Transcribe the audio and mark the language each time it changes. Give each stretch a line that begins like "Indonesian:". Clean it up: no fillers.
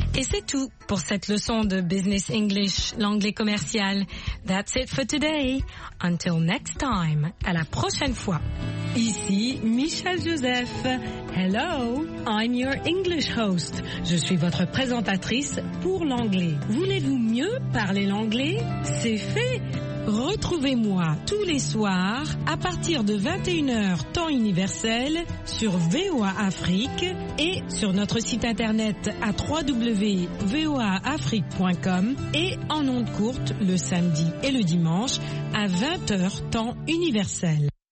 French: c'est tout pour cette leçon de Business English, l'anglais commercial.
English: That's it for today. Until next time,
French: à la prochaine fois. Ici Michel Joseph.
English: Hello, I'm your English host.
French: Je suis votre présentatrice pour l'anglais. Voulez-vous mieux parler l'anglais? C'est fait. Retrouvez-moi tous les soirs à partir de 21h temps universel sur VOA Afrique et sur notre site internet à www.voaafrique.com et en ondes courtes le samedi et le dimanche à 20h temps universel.